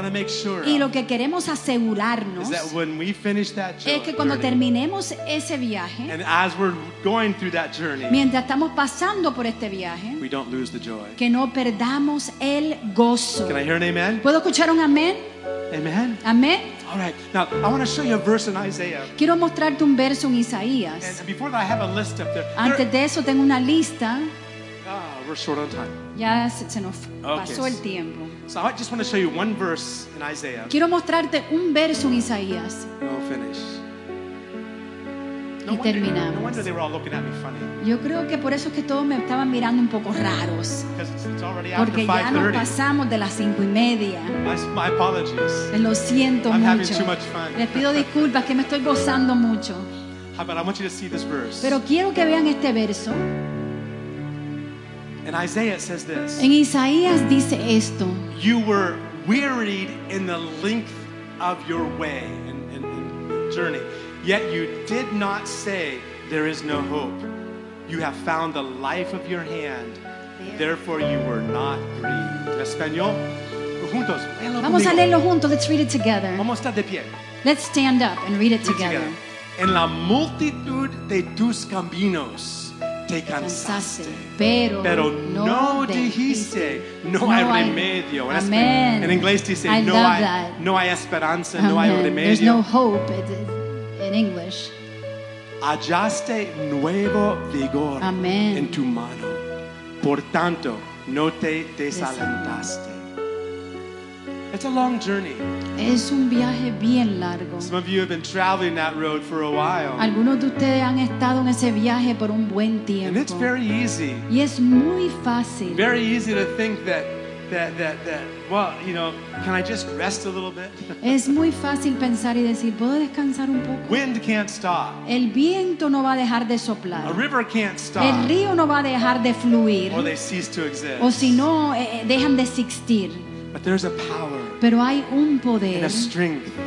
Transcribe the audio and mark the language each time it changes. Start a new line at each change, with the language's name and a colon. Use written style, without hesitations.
English: sure
Spanish: y lo que queremos asegurarnos es que cuando terminemos ese viaje
English: journey,
Spanish: mientras estamos pasando por este viaje que no perdamos el gozo.
English: Can I hear an amen?
Spanish: ¿Puedo escuchar un amén?
English: Amen.
Spanish: Amen.
English: All right. Now I want to show you a verse in Isaiah.
Spanish: Quiero mostrarte un verso en Isaías.
English: And before that, I have a list up there.
Spanish: Antes de eso, tengo una lista.
English: We're short on time.
Spanish: Ya se nos pasó el tiempo.
English: So I just want to show you one verse in Isaiah.
Spanish: Quiero mostrarte un verso en Isaías.
English: I'll finish.
Spanish: Y terminamos.
English: No wonder they were all looking at me funny.
Spanish: Yo creo que por eso es que todos me estaban mirando un poco raros.
English: It's
Spanish: porque
English: after 5:30.
Spanish: Ya nos pasamos de las 5 y media.
English: My apologies.
Spanish: Lo siento
English: I'm
Spanish: mucho.
English: Having too much fun.
Spanish: Les pido disculpas que me estoy gozando mucho.
English: But I want you to see this verse.
Spanish: Pero quiero que vean este verso.
English: In Isaiah it says this.
Spanish: En Isaías dice esto.
English: You were wearied in the length of your way and journey. Yet you did not say, there is no hope. You have found the life of your hand. Therefore you were not grieved.
Spanish: Español. Juntos. Vamos a leerlo juntos.
English: Let's read it together.
Spanish: Vamos a estar de pie.
English: Let's stand up and read it together.
Spanish: En la multitud de tus caminos te cansaste. Pero no dijiste, no hay remedio. Amen. En inglés dice, no hay esperanza, no hay remedio.
English: There's no hope. In English.
Spanish: Hallaste nuevo vigor Amen. En tu mano. Por tanto, no te desalentaste.
English: It's a long journey.
Spanish: Es un viaje bien largo.
English: Some of you have been traveling that road for a while.
Spanish: Algunos de ustedes han estado en ese viaje por un buen tiempo.
English: And it's very easy.
Spanish: Y es muy fácil.
English: Very easy to think that well, you know, can I just rest a little bit?
Spanish: Es muy fácil pensar y decir, ¿puedo descansar un poco?
English: Wind can't stop.
Spanish: El viento no va a dejar de soplar.
English: A river can't stop.
Spanish: El río no va a dejar de fluir.
English: Or they cease to exist.
Spanish: O si no, dejan de existir.
English: But there's a power.
Spanish: Pero hay un poder.
English: And a strength.